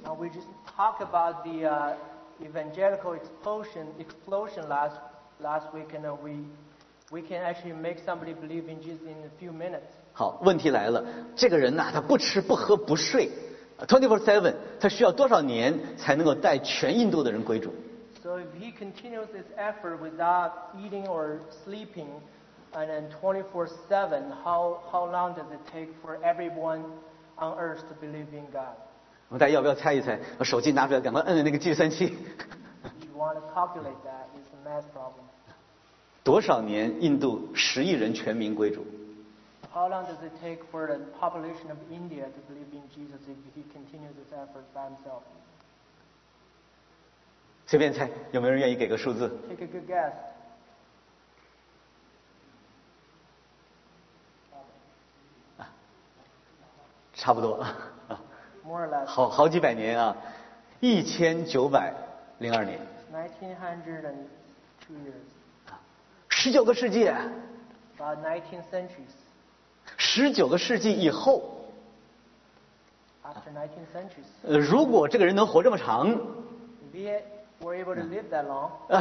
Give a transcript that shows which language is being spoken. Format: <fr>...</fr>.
<en>We just talk about the evangelical explosion last week, and we can actually make somebody believe in Jesus in a few minutes.</en> <zh>好，问题来了，这个人呐、啊，他不吃不喝不睡。 24/7，他需要多少年才能够带全印度的人归主</zh> <en>？So if he continues his effort without eating or sleeping, and then 24/7, how long does it take for everyone on earth to believe in God？</en> <zh>我们大家要不要猜一猜？把手机拿出来，赶快摁那个计算器。</zh> <en>If you want to calculate that, it's a math problem.</en> <zh>多少年印度10亿人全民归主？</zh> <en>How long does it take for the population of India to believe in Jesus if he continues his efforts by himself?</en> <zh>随便猜，有没有人愿意给个数字</zh> <en>？Take a good guess.</en> <zh>差不多。</zh> <en>More or less.</en> <zh>好几百年啊，1902年。</zh> <en>1902 years. 19th century. About 19th century. 19th century</en> <zh>以后</zh> <en>After 19th centuries,</en> <zh>如果这个人能活这么长</zh> <en>If he were able to live that long,</en>